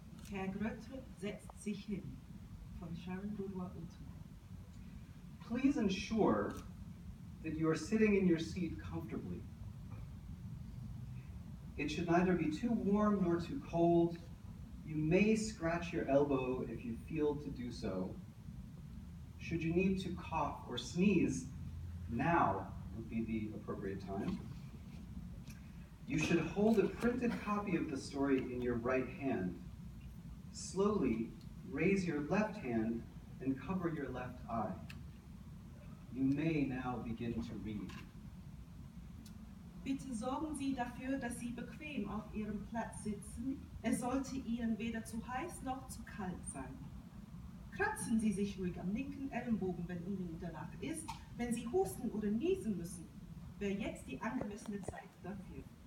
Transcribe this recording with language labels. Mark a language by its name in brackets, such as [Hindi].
[German] Herr Grötter setzt sich hin, von Sharon Dodogotu. [English] Please ensure that you are sitting in your seat comfortably. It should neither be too warm nor too cold. You may scratch your elbow if you feel to do so. Should you need to cough or sneeze, now would be the appropriate time. You should hold a printed copy of the story in your right hand. Slowly raise your left hand and cover your left eye. You may now begin to read. [German] Bitte sorgen Sie dafür, dass Sie bequem auf Ihrem Platz sitzen. Es sollte Ihnen weder zu heiß noch zu kalt sein. Kratzen Sie sich ruhig am linken Ellenbogen, wenn Ihnen danach ist. Wenn Sie husten oder niesen müssen, wäre jetzt die angemessene Zeit dafür.